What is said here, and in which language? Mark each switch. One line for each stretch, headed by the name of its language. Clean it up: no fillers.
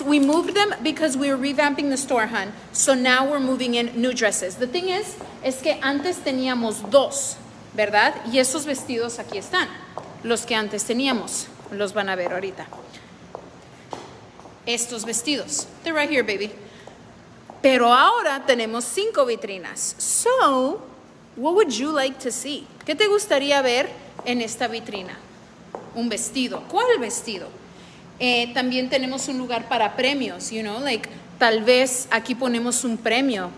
English: We moved them because we were revamping the store, hun. So now we're moving in new dresses. The thing is
Spanish: que antes teníamos dos, ¿verdad? Y esos vestidos aquí están, los que antes teníamos. Los van a ver ahorita. Estos vestidos.
English: They're right here, baby.
Spanish: Pero ahora tenemos 5 vitrinas.
English: So, what would you like to see?
Spanish: ¿Qué te gustaría ver en esta vitrina? Un vestido. ¿Cuál vestido? También tenemos un lugar para premios,
English: you know, like,
Spanish: tal vez aquí ponemos un premio.